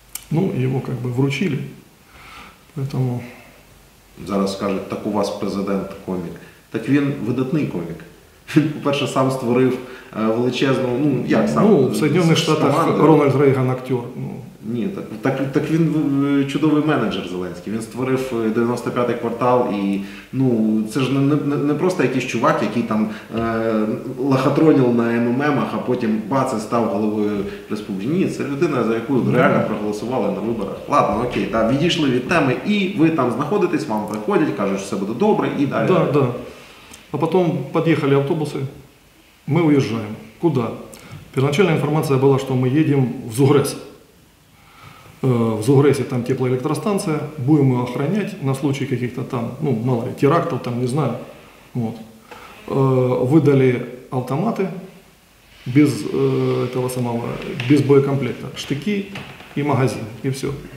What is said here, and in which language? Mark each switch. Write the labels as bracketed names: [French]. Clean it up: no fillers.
[Russian] Ну, его как бы вручили, поэтому... Зараз скажут, так у вас президент комик. Так он видатный комик. [Ukrainian] по-перше, сам створив величезну, ну, як сам? Ну, в Соєднаних Штатах Рональд Рейган актер. Ну. Ні, так він чудовий менеджер Зеленський. Він створив 95-й квартал і, ну, це ж не просто якийсь чувак, який там лохотронив на МММах, а потім бац і став головою республіки. Ні, це людина, за яку реально проголосували на виборах. Ладно, окей, та, відійшли від теми, і ви там знаходитесь, вам приходять, кажуть, що все буде добре, і далі. Так, да, так. Да. А потім під'їхали автобуси, ми уїжджаємо. Куди? Первоначальна інформація була, що ми їдемо в Зугрес. [Russian] В Зугресе там теплоэлектростанция, будем ее охранять на случай каких-то там, ну, мало ли, терактов там, не знаю. Вот. Выдали автоматы без этого самого, без боекомплекта, штыки и магазин, и все.